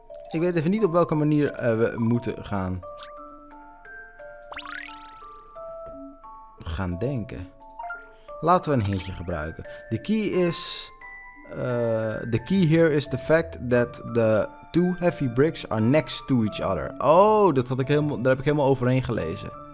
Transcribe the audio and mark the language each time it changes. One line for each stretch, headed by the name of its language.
Dutch: Ik weet even niet op welke manier we moeten gaan. Gaan denken. Laten we een hintje gebruiken.
English: The key is. The key here is the fact that the. 2 heavy bricks are next to each other.
Dutch: Oh, dat had ik helemaal, daar heb ik helemaal overheen gelezen.